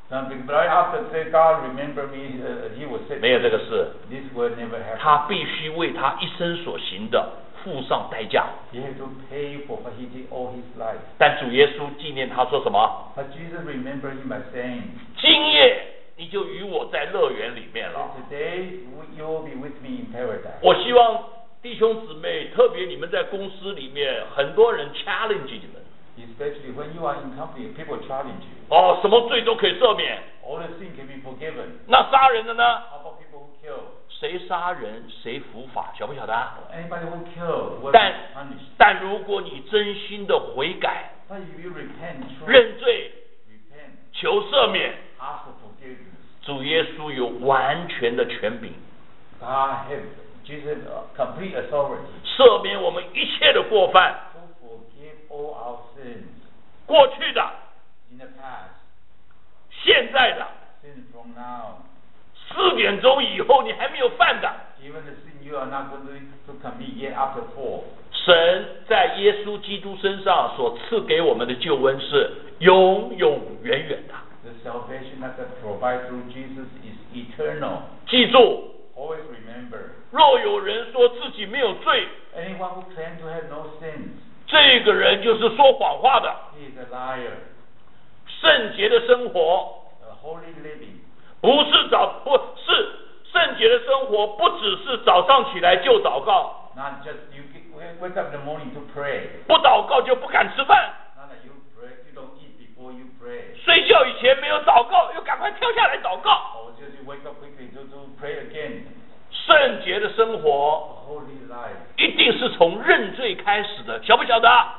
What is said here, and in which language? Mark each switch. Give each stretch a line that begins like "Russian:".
Chinese: 没有这个事。
English: This will never happen.
Chinese: 他必须为他一生所行的付上代价。
English: He had to pay for what he did all his life.
Chinese: 但主耶稣纪念他说什么？
English: But Jesus remembered him by saying,
Chinese: 今夜你就与我在乐园里面了。
English: Today you will be with me in paradise.
Chinese: 我希望。弟兄姊妹，特别你们在公司里面，很多人 challenge 你们。
English: Especially when you are in company, people challenge you.
Chinese: 哦，什么罪都可以赦免。
English: All the sin can be forgiven.
Chinese: 那杀人的呢？
English: How about people who kill?
Chinese: 谁杀人谁伏法，晓不晓得？
English: Anybody who kill will be punished.
Chinese: 但如果你真心的悔改，
English: But if you repent,
Chinese: 认罪，
English: repent,
Chinese: 求赦免，
English: ask for forgiveness.
Chinese: 主耶稣有完全的权柄。
English: God has. Jesus, complete authority.
Chinese: 赦免我们一切的过犯。
English: To forgive all our sins.
Chinese: 过去的。
English: In the past.
Chinese: 现在的。
English: Sins from now.
Chinese: 四点钟以后你还没有犯的。
English: Even the sin you are not going to commit yet after four.
Chinese: 神在耶稣基督身上所赐给我们的救恩是永永远远的。
English: The salvation that God provides through Jesus is eternal.
Chinese: 记住。
English: Always remember.
Chinese: 若有人说自己没有罪，
English: Anyone who claim to have no sins,
Chinese: 这个人就是说谎话的。
English: He is a liar.
Chinese: 圣洁的生活，
English: a holy living.
Chinese: 不是早不是圣洁的生活，不只是早上起来就祷告。
English: Not just you wake up in the morning to pray.
Chinese: 不祷告就不敢吃饭。
English: Not that you pray, you don't eat before you pray.
Chinese: 睡觉以前没有祷告，又赶快跳下来祷告。
English: Or just you wake up quickly to pray again.
Chinese: 圣洁的生活一定是从认罪开始的，晓不晓得？